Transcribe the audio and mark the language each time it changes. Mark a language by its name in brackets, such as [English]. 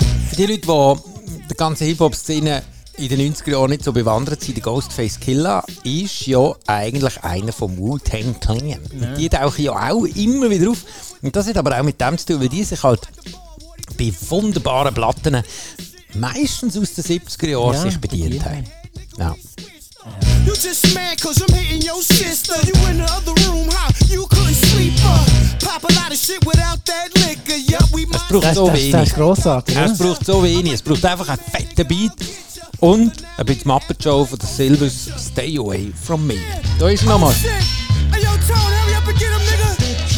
[German] Für die Leute, die der ganzen Hip-Hop-Szene in den 90er Jahren nicht so bewandert sind, der Ghostface Killah ist ja eigentlich einer von Wu-Tang Clan. Ja. Die tauchen ja auch immer wieder auf. Und das hat aber auch mit dem zu tun, weil die sich halt bei wunderbaren Platten meistens aus den 70er Jahren sich bedient haben. Ja. [English] You just mad cause I'm hitting your sister. You in the other room, how you couldn't sleep up. Pop a lot of shit without that liquor. Yeah, we might. [German] Es braucht das, so das, wenig. Das ist grossartig. Es braucht so wenig. Es braucht einfach einen fetten Beat. Und ein bisschen Muppet Show von der Silvers, Stay Away From Me. Da ist nochmal. [English] Yo, Tone, hurry up and get him, nigga.